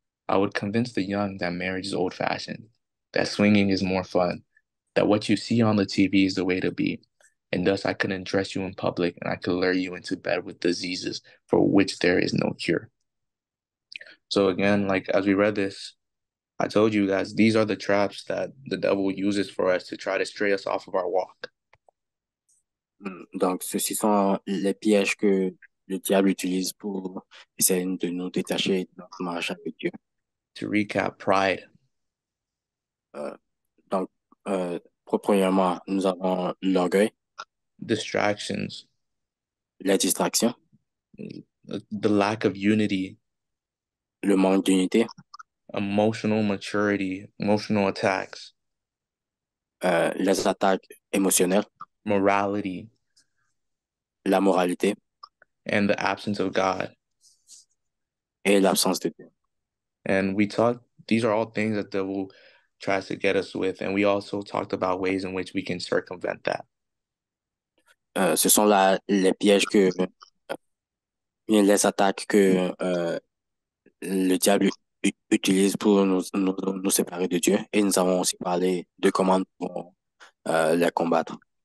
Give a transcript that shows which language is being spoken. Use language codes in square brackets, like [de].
[en] I would convince the young that marriage is old-fashioned, that swinging is more fun, that what you see on the TV is the way to be, and thus I could undress you in public and I could lure you into bed with diseases for which there is no cure. So again, like as we read this, I told you guys, these are the traps that the devil uses for us to try to stray us off of our walk. [fr] Donc, ceci sont les pièges que le diable utilise pour essayer de nous détacher de notre marche avec Dieu. [en] To recap, pride. [fr] Premièrement, nous avons l'orgueil. [en] Distractions. [fr] La distraction. [en] The lack of unity. [fr] Le manque d'unité. [en] Emotional maturity, emotional attacks. [fr] Les attaques émotionnelles. [en] Morality. [fr] La moralité. [en] And the absence of God. [fr] Et l'absence de Dieu. [en] And we talked, these are all things that the devil tries to get us with. And we also talked about ways in which we can circumvent that. [fr] Ce sont là les pièges que, les attaques que le diable utilise pour nous séparer de Dieu. Et nous avons aussi parlé de comment pour les combattre.